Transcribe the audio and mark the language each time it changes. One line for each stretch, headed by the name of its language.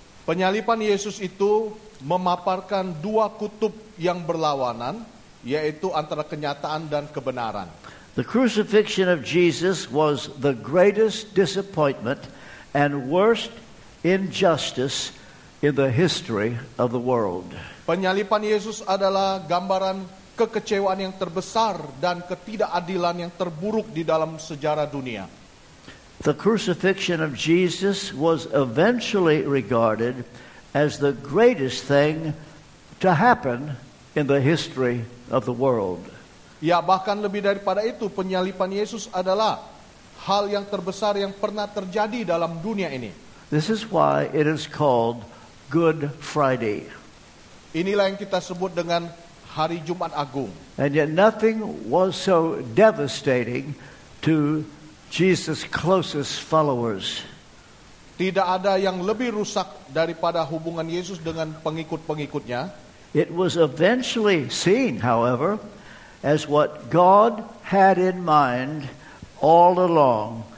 Indonesian: Penyalipan Yesus itu memaparkan dua kutub yang berlawanan, yaitu antara kenyataan dan kebenaran.
English: The crucifixion of Jesus was the greatest disappointment and worst injustice in the history of the world.
Indonesian: Penyalipan Yesus adalah gambaran kekecewaan yang terbesar dan ketidakadilan yang terburuk di dalam sejarah dunia.
English: The crucifixion of Jesus was eventually regarded as the greatest thing to happen in the history of the world.
Indonesian: Ya, bahkan lebih daripada itu, penyalipan Yesus adalah hal yang terbesar yang pernah terjadi dalam dunia ini.
English: This is why it is called Good Friday.
Indonesian: Inilah yang kita sebut dengan Hari Jumat Agung.
English: And yet nothing was so devastating to Jesus' closest followers.
Indonesian: Tidak ada yang lebih rusak daripada hubungan Yesus dengan pengikut-pengikutnya.
English: It was eventually seen, however, as what God had in mind all along.